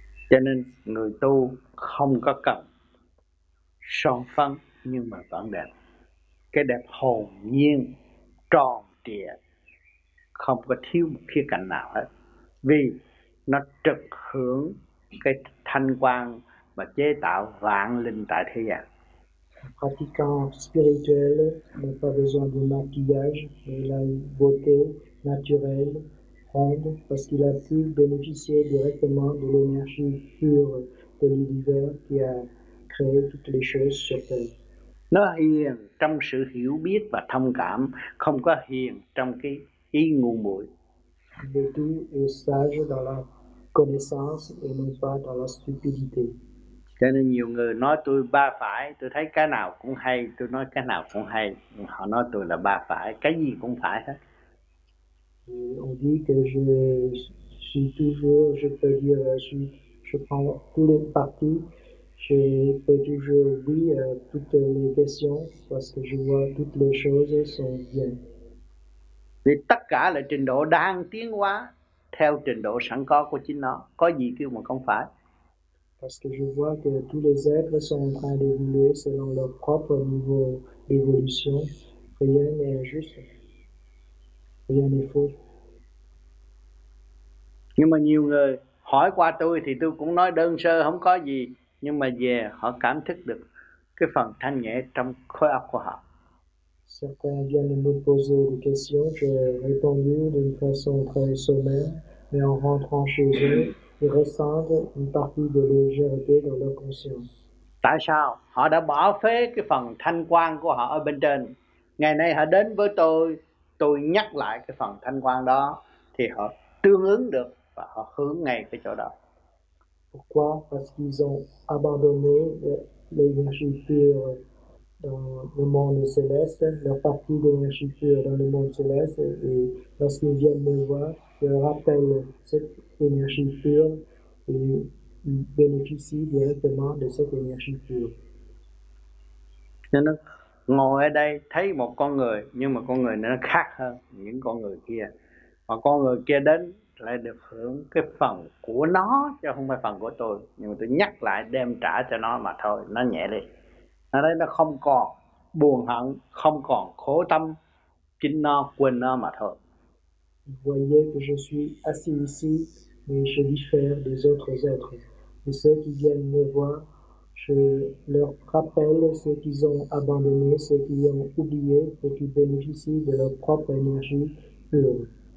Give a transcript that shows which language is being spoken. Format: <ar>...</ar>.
<vi>Cho nên người tu không có cần son phấn nhưng mà vẫn đẹp. Cái đẹp hồn nhiên, tròn trịa, không có thiếu một khía cạnh nào hết. Vì nó trực hưởng cái thanh quang và chế tạo vạn linh tại thế gian.</vi> <fr>Pratiquant spirituel n'a pas besoin de maquillage, mais il a une beauté naturelle, ronde, parce qu'il a pu bénéficier directement de l'énergie pure de l'univers qui a créé toutes les choses sur Terre.</fr> <vi>Nó hiền trong sự hiểu biết và thông cảm, không có hiền trong cái ý ngu muội.</vi> <fr>Le tout est sage dans la connaissance et non pas dans la stupidité.</fr> <vi>Cho nên nhiều người nói tôi ba phải, tôi thấy cái nào cũng hay, tôi nói cái nào cũng hay. Họ nói tôi là ba phải, cái gì cũng phải hết.</vi> <fr>On dit que je suis toujours, je peux dire, je prends tous les partis. Je peux toujours dire toutes les questions parce que je vois toutes les choses sont bien.</fr> <vi>Vì tất cả là trình độ đang tiến hóa theo trình độ sẵn có của chính nó. Có gì kêu mà không phải?</vi> <fr>Parce que je vois que tous les êtres sont en train d'évoluer selon leur propre niveau d'évolution. Rien n'est injuste. Rien n'est faux.</fr> <vi>Nhưng mà nhiều người hỏi qua tôi thì tôi cũng nói đơn sơ không có gì. Nhưng mà về họ cảm thức được cái phần thanh nhẹ trong khối óc của họ.</vi> <fr>Certains viennent me poser des questions, j'ai répondu d'une façon très sommaire, mais en rentrant chez eux, ils ressentent une partie de légèreté dans leur conscience.</fr> <vi>Tại sao? Họ đã bỏ phế cái phần thanh quang của họ ở bên trên. Ngày nay họ đến với tôi nhắc lại cái phần thanh quang đó, thì họ tương ứng được và họ hướng ngay cái chỗ đó.</vi> <fr>Pourquoi? Parce qu'ils ont abandonné l'énergie pure dans le monde céleste, leur partie d'énergie pure dans le monde céleste, et lorsqu'ils viennent me voir, je rappelle cette énergie pure et bénéficient directement de cette énergie pure.</fr> <vi>Nên nó ngồi ở đây thấy một con người, nhưng mà con người này nó khác hơn những con người kia. Mà con người kia đến lại được hưởng cái phần của nó chứ không phải phần của tôi, nhưng mà tôi nhắc lại đem trả cho nó mà thôi, nó nhẹ đi. Ở đây nó không còn buồn hận, không còn khổ tâm, chính nó quên nó mà thôi.</vi> <fr>Vous voyez que je suis assis ici, mais je diffère des autres êtres. Et ceux qui viennent me voir, je leur rappelle ce qu'ils ont abandonné, ce qu'ils ont oublié, et qu'ils bénéficient de leur propre énergie pure.</fr>